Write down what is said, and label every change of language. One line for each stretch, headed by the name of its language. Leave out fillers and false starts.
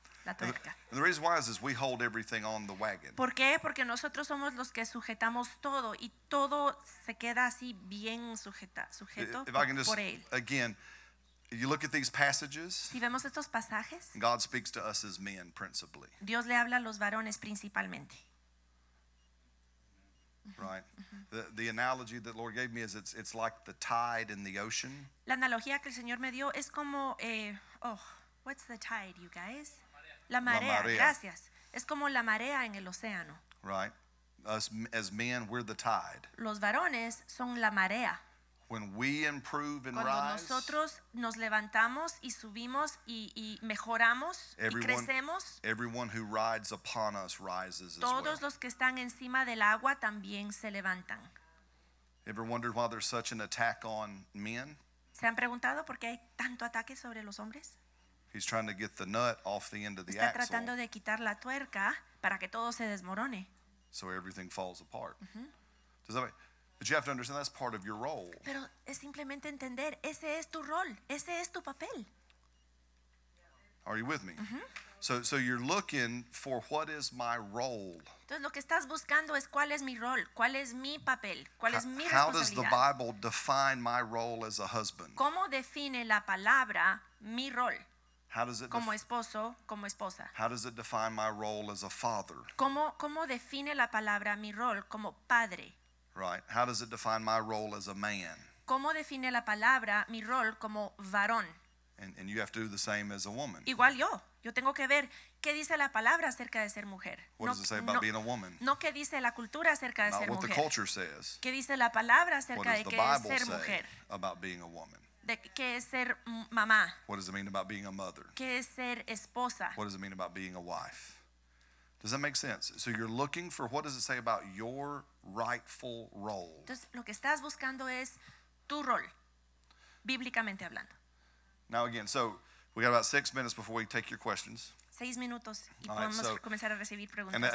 English: And the reason why is we hold everything on the wagon.
Spanish: ¿Por qué? Porque nosotros somos los que sujetamos todo y todo se queda así bien sujeto
English: if
Spanish: por,
English: I can just,
Spanish: por él.
English: Again, you look at these passages.
Spanish: Si vemos estos pasajes.
English: God speaks to us as men principally.
Spanish: Dios le habla a los varones principalmente.
English: Right. The analogy that Lord gave me is it's like the tide in the ocean.
Spanish: La analogía que el Señor me dio es como
English: what's the tide, you guys?
Spanish: La marea, la marea, gracias. Es como la marea en el océano.
English: Right. Us, as men, we're the tide.
Spanish: Los varones son la marea.
English: When we improve and
Spanish: Cuando
English: rise,
Spanish: nosotros nos levantamos y subimos y mejoramos
English: everyone,
Spanish: y crecemos,
English: everyone who rides upon us rises
Spanish: todos
English: as well.
Spanish: Los que están encima del agua también se levantan.
English: Ever wondered why there's such an attack on men?
Spanish: ¿Se han preguntado por qué hay tanto ataque sobre los hombres?
English: He's trying to get the nut off the end of the
Spanish: Está
English: axle.
Spanish: Tratando de quitar la tuerca para que todo se desmorone.
English: So everything falls apart. Mm-hmm. Does that mean, but you have to understand that's part of your role.
Spanish: Pero es simplemente entender, ese es tu rol, ese es tu papel.
English: Are you with me? Mm-hmm. So you're looking for what is my role.
Spanish: Entonces lo que estás buscando es cuál es mi rol, cuál es mi papel, cuál es mi responsabilidad.
English: How does the Bible define my role as a husband?
Spanish: ¿Cómo define la palabra mi rol?
English: How does it
Spanish: como esposo, como esposa.
English: How does it define my role as a father?
Spanish: ¿Cómo define la palabra mi rol como padre?
English: Right. How does it define my role as a man?
Spanish: ¿Cómo define la palabra mi rol como varón?
English: And you have to do the same as a woman.
Spanish: Igual yo. Yo tengo que ver qué dice la palabra acerca de ser mujer.
English: What does it say about being a woman?
Spanish: No qué dice la cultura acerca de ser mujer.
English: Not what the culture says.
Spanish: ¿Qué dice la palabra acerca de qué es ser mujer?
English: What does the Bible say about being a woman?
Spanish: De qué es ser mamá.
English: What does it mean about being a mother?
Spanish: ¿Qué es ser esposa?
English: What does it mean about being a wife? Does that make sense? So you're looking for what does it say about your rightful role?
Spanish: Entonces lo que estás buscando es tu rol, bíblicamente hablando.
English: Now again, so we got about 6 minutes before we take your questions.
Spanish: 6 minutos y
English: all right,
Spanish: podemos comenzar a recibir preguntas.